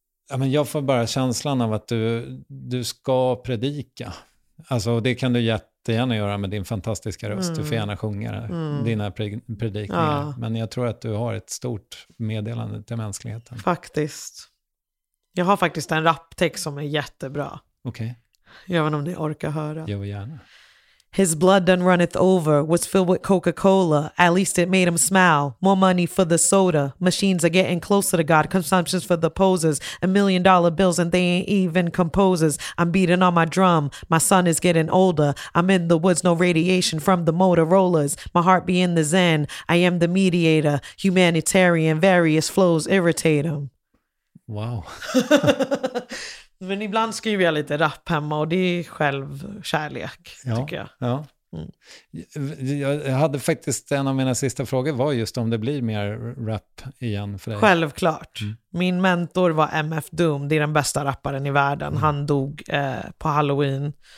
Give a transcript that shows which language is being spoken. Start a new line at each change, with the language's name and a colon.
Swedish: Ja, men jag får bara känslan av att du ska predika. Alltså, det kan du jättegärna göra med din fantastiska röst. Mm. Du får gärna sjunga dina predikningar. Ja. Men jag tror att du har ett stort meddelande till mänskligheten. Faktiskt. Jag har faktiskt en raptext som är jättebra. Okej. Okay. Även om ni orkar höra. Jag vill gärna.
English: His blood done runneth over, was filled with Coca-Cola. At least it made him smile. More money for the soda. Machines are getting closer to God. Consumptions for the poses. $1 million bills and they ain't even composers. I'm beating on my drum. My son is getting older. I'm in the woods, no radiation from the Motorolas. My heart be in the zen. I am the mediator. Humanitarian, various flows irritate him. Wow.
Swedish: Men ibland skriver jag lite rap hemma, och det är självkärlek, ja, tycker jag. Ja. Mm. Jag hade faktiskt, en av mina sista frågor var just om det blir mer rap igen för dig. Självklart. Mm. Min mentor var MF Doom, det är den bästa rapparen i världen. Mm. Han dog på Halloween